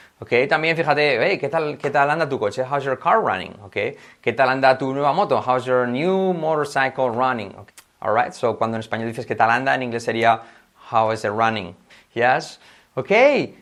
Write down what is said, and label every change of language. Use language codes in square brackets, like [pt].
[es] Okay, también fíjate, hey, ¿qué tal anda tu coche? [en] How's your car running? [es] Okay, ¿qué tal anda tu nueva moto? [en] How's your new motorcycle running? Okay. All right, so [es] cuando en español dices ¿qué tal anda?, en inglés sería [en] how is it running? Yes. Okay.